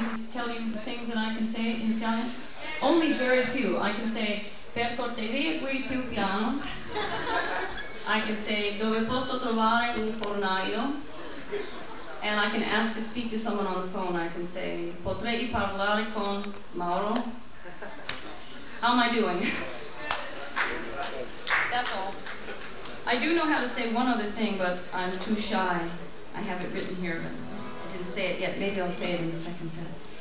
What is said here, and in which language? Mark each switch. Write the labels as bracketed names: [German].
[English] I'm just telling you the things that I can say in Italian. Only very few. I can say, [Italian] per cortesia, qui più piano. [English] I can say, [Italian] dove posso trovare un fornaio? [English] And I can ask to speak to someone on the phone. I can say, [Italian] potrei parlare con Mauro? [English] How am I doing? That's all. I do know how to say one other thing, but I'm too shy. I have it written here, but I didn't say it yet. Maybe I'll say it in the second set.